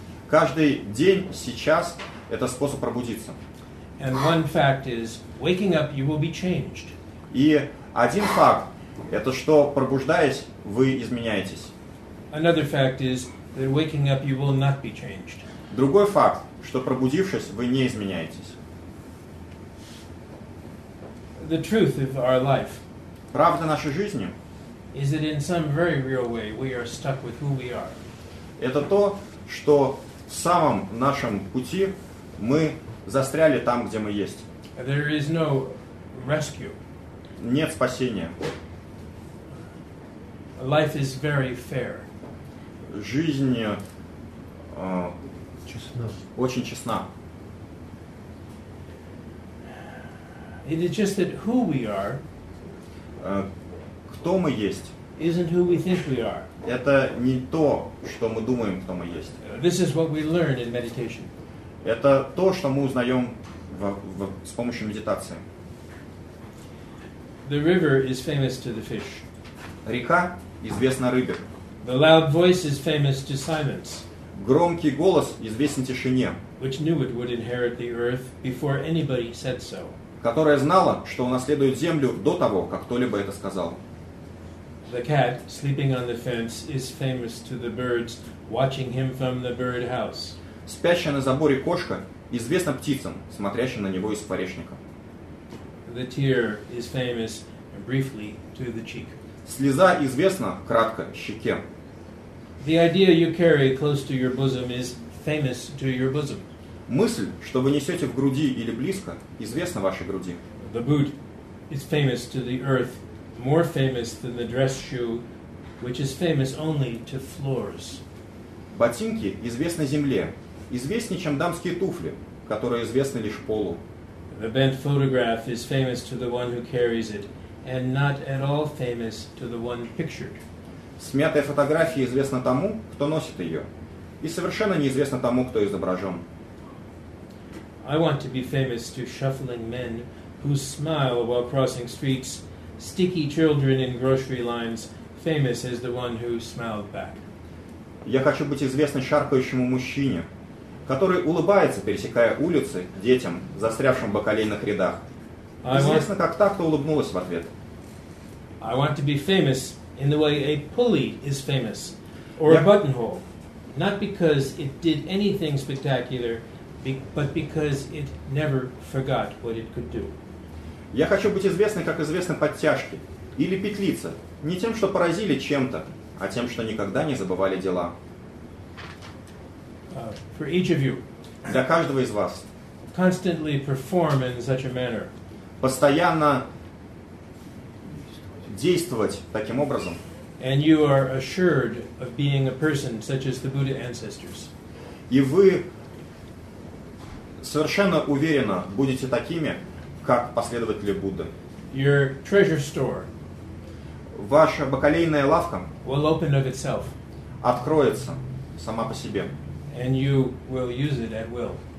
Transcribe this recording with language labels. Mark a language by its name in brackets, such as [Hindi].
[Russian] Каждый день сейчас это способ пробудиться. [English] And one fact is, waking up you will be changed. [Russian] И один факт это что пробуждаясь вы изменяетесь. [English] Another fact is that waking up you will not be changed. [Russian] Другой факт, что пробудившись вы не изменяетесь. [English] the truth of our life. [Russian] Правда нашей жизни. [English] Is it in some very real way we are stuck with who we are? [Russian] Это то, что в самом нашем пути мы застряли там, где мы есть. [English] There is no rescue. [Russian] Нет спасения. [English] Life is very fair. [Russian] Жизнь честна. Очень честна. [English] It is just that who we are. [Russian] Кто мы есть? [English] Isn't who we think we are. [Russian] Это не то, что мы думаем, кто мы есть. [English] This is what we learn in meditation. [Russian] Это то, что мы узнаем с помощью медитации. [English] The river is famous to the fish. [Russian] Река известна рыбе. [English] The loud voice is famous to silence. [Russian] Громкий голос известен тишине. [English] Which knew it would inherit the earth before anybody said so. [Russian] Которая знала, что унаследует землю до того, как кто-либо это сказал. [English] The cat sleeping on the fence is famous to the birds watching him from the birdhouse. [Russian] Спящая на заборе кошка известна птицам, смотрящим на него из парешника. [English] The tear is famous briefly to the cheek. [Russian] Слеза известна кратко щеке. [English] The idea you carry close to your bosom is famous to your bosom. [Russian] Мысль, что вы несете в груди или близко, известна вашей груди. [English] The boot is famous to the earth. More famous than the dress shoe, which is famous only to floors. [Russian] Ботинки известны земле, известнее, чем дамские туфли, которые известны лишь полу. [English] The bent photograph is famous to the one who carries it, and not at all famous to the one pictured. [Russian] Смятая фотография известна тому, кто носит ее, и совершенно неизвестна тому, кто изображен. [English] I want to be famous to shuffling men who smile while crossing streets. Sticky children in grocery lines, famous as the one who smiled back. [Russian] Я хочу быть известным шаркающему мужчине, который улыбается, пересекая улицы, детям, застрявшим в бакалейных рядах. Известно, как та, кто улыбнулась в ответ. [English] I want to be famous in the way a pulley is famous, or a buttonhole, not because it did anything spectacular, but because it never forgot what it could do. [Russian] Я хочу быть известной, как известны подтяжки или петлица, не тем, что поразили чем-то, а тем, что никогда не забывали дела. [English] For each of you, [Russian] для каждого из вас [English] constantly perform in such a manner, [Russian] постоянно действовать таким образом, [English] and you are assured of being a person such as the Buddha ancestors. [Russian] И вы совершенно уверенно будете такими, как последователи Будды. [English] Your treasure store, [Russian] ваша бакалейная лавка, [English] will open of itself, [Russian] откроется сама по себе. [English] And you will use it at will.